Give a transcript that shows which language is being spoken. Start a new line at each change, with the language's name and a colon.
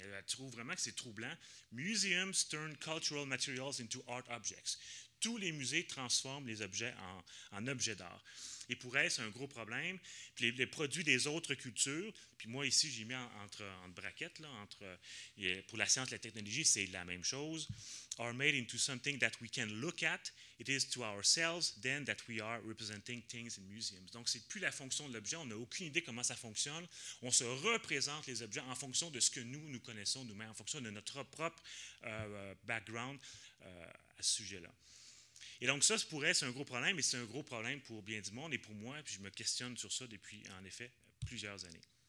French: Elle trouve vraiment que c'est troublant. «
English: Museums turn cultural materials into art objects ».
French: Tous les musées transforment les objets en objets d'art. Et pour elle, c'est un gros problème. Puis les produits des autres cultures, puis moi ici, j'y mets entre braquettes, pour la science et la technologie, c'est la même chose.
English: « Are made into something that we can look at. It is to ourselves then that we are representing things in museums.
French: » Donc, ce n'est plus la fonction de l'objet. On n'a aucune idée comment ça fonctionne. On se représente les objets en fonction de ce que nous connaissons nous-mêmes, en fonction de notre propre background à ce sujet-là. Et donc ça, c'est un gros problème, mais c'est un gros problème pour bien du monde et pour moi, puis je me questionne sur ça depuis, en effet, plusieurs années.